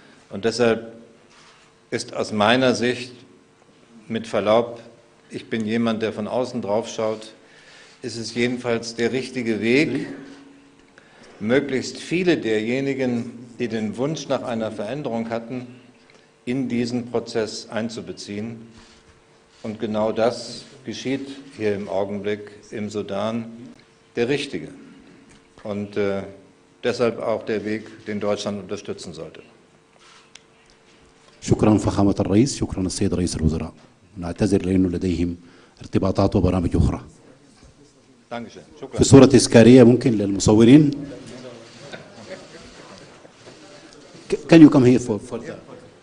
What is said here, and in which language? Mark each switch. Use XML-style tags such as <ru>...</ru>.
<de>Und deshalb ist aus meiner Sicht, mit Verlaub, ich bin jemand, der von außen drauf schaut, ist es jedenfalls der richtige Weg, möglichst viele derjenigen, die den Wunsch nach einer Veränderung hatten, in diesen Prozess einzubeziehen. Und genau das geschieht hier im Augenblick im Sudan, der richtige. Und deshalb auch der Weg, den Deutschland unterstützen sollte.</de> <ar>شكراً فخامة الرئيس، شكراً السيد رئيس الوزراء. نعتذر لأنه لديهم ارتباطات وبرامج أخرى. في صورة إسكارية ممكن للمصورين.</ar> <en>Can you come here for that?</en>